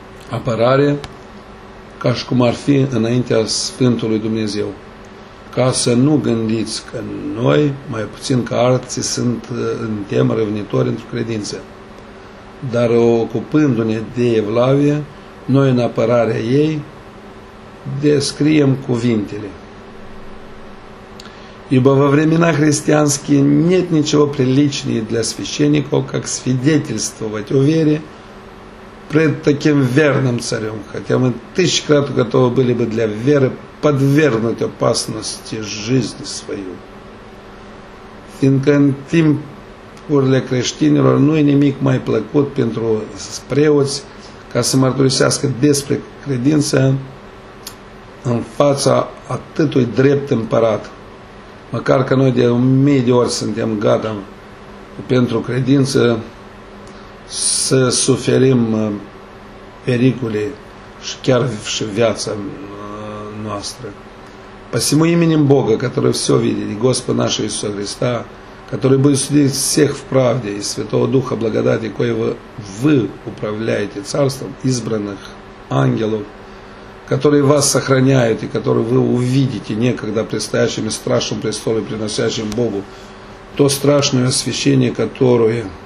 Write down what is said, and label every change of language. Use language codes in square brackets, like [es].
[ro] apărare, ca și cum ar fi înaintea Sfântului Dumnezeu, ca să nu gândiți că noi, mai puțin ca alții, sunt în temă răvnitori într-o credință, dar ocupându-ne de evlavie, noi în apărarea ei descriem cuvintele. [ru] Ибо во времена христианские нет ничего приличнее для священников, как свидетельствовать о вере пред таким верным царем, хотя мы тысячкрат готовы были бы для веры подвергнуть опасности жизни свою. [ro] Fiindcă în timpurile creștinilor nu e nimic mai plăcut pentru preoți ca să mărturisească despre credință în fața atâtui drept împărat. Măcar că noi de 1000 de ori suntem gata pentru credință să suferim pericole și chiar și viața noastră. [ru] Посему именем Бога, который все видит, и Господа нашего Иисуса Христа, который будет судить всех в правде, и Святого Духа благодати, коего вы управляете царством избранных ангелов, которые вас сохраняют и которые вы увидите некогда предстоящими страшным престолом, приносящим Богу то страшное освящение, которое